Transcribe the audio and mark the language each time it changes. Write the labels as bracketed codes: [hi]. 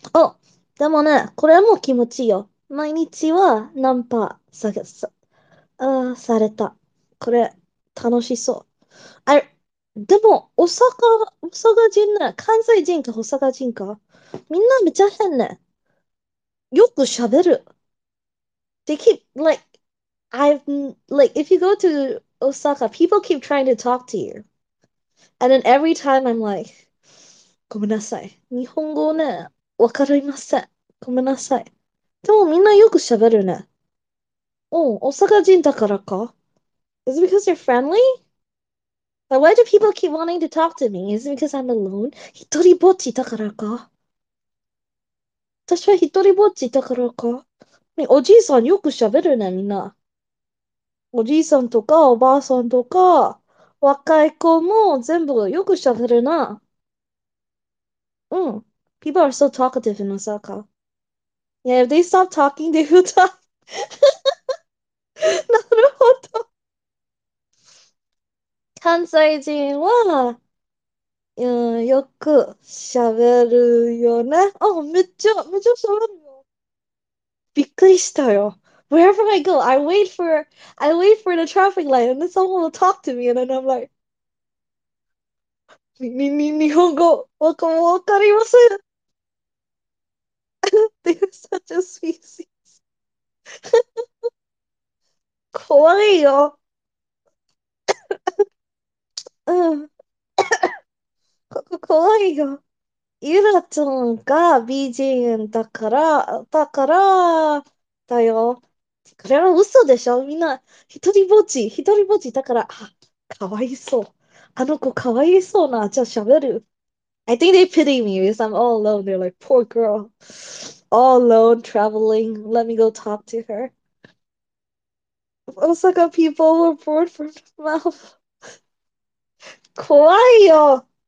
[ja] Oh, でもね、これも気持ちいいよ。毎日はナンパさ、さ、あ、された。これ、楽しそう。あれ、でも、大阪人ね、関西人か大阪人か、みんなめちゃ変ね。よく喋る。 [en] They keep, like, I've, like, if you go to Osaka, people keep trying to talk to you. And then every time I'm like, [ja] ごめんなさい。日本語ね、わかりません。ごめんなさい。でもみんなよく喋るね。おう、大阪人だからか? [en] Is it because you're friendly? But why do people keep wanting to talk to me? Is it because I'm alone? [ja] 一人ぼっちだからか? 私は一人ぼっちだからか?おじいさんよく喋るね、みんな。おじいさんとかおばあさんとか、若い子も全部よく喋るな。うん。 [en] People are so talkative in Osaka. Yeah, if they stop talking, they will talk. [ja] 関西人は、よく喋るよね。めっちゃ喋るよ。びっくりしたよ。 [en] Wherever I go, I wait for the traffic light and then someone will talk to me and then I'm like, [ja] に、日本語、わかります? [en] They're such a species. [ja] 怖いよ。怖いよ。ユラちゃんが BGM だから、だよ。これは嘘でしょ? みんな、一人ぼっちだから、かわいそう。あの子かわいそうな、じゃあ喋る。 [en] I think they pity me because I'm all alone. They're like, poor girl. All alone, traveling. Let me go talk to her. Osaka people were born from mouth. [ja] 怖いよ。